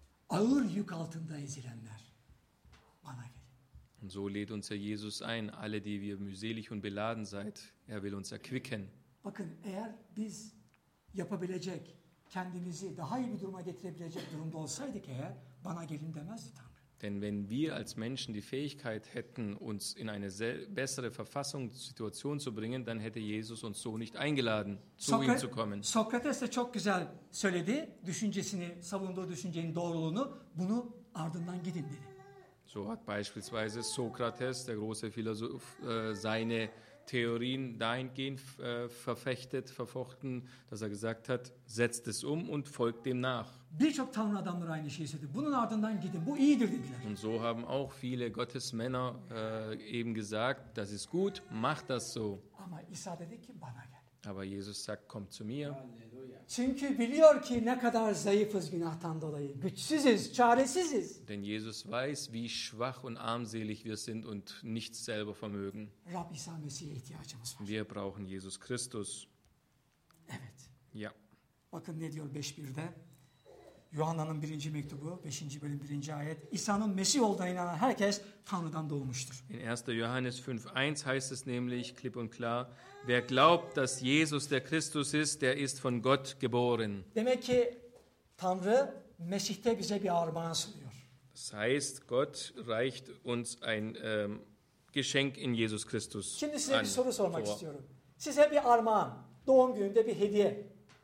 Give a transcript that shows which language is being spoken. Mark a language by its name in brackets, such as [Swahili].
[Turkish] Ağır yük altında ezilenler bana gelin. [German] So lädt uns Herr Jesus ein, alle die wir mühselig und beladen seid. Er will uns erquicken. [Turkish] Bakın, eğer biz yapabilecek, kendimizi daha iyi bir duruma getirebilecek durumda olsaydık eğer, bana gelin demezdi Tanrı. [German] Denn wenn wir als Menschen die Fähigkeit hätten, uns in eine bessere Verfassung, Situation zu bringen, dann hätte Jesus uns so nicht eingeladen, zu ihm zu kommen. [Turkish] Sokrates de çok güzel söyledi, düşüncesini, savunduğu düşüncenin doğruluğunu, bunu ardından gidin dedi. [German] So hat beispielsweise Sokrates, der große Philosoph, seine Theorien dahingehend verfechtet, verfochten, dass er gesagt hat, setzt es um und folgt dem nach. [Turkish] Birçok Tanrı adamları aynı şeyi söyledi. Bunun ardından gidin, bu iyidir dediler. [German] Und so haben auch viele Gottesmänner eben gesagt, das ist gut, mach das so. [Turkish] Ama İsa dedi ki, bana gel. [German] Aber Jesus sagt, komm zu mir. [Turkish] Çünkü biliyor ki ne kadar zayıfız günahtan dolayı. Güçsüziz, çaresiziz. [German] Denn Jesus weiß, wie schwach und armselig wir sind und nichts selber vermögen. [Turkish] Rab İsa Mesih'e ihtiyacımız var. [German] Wir brauchen Jesus Christus. [Turkish] Evet. [German] Ja. [Turkish] Bakın ne diyor 5.1'de? Yuhanna'nın birinci mektubu, 5. bölüm 1. ayet. İsa'nın Mesih olduğuna inanan herkes Tanrı'dan doğmuştur. [German] In 1. Johannes 5.1 heißt es nämlich klipp und klar, wer glaubt, dass Jesus der Christus ist, der ist von Gott geboren. [Turkish] Demek ki Tanrı Mesih'te bize bir armağan sunuyor. [German] Das heißt, Gott reicht uns ein Geschenk in Jesus Christus. [Turkish] Şimdi size bir soru sormak istiyorum. Size bir armağan, doğum gününde bir hediye.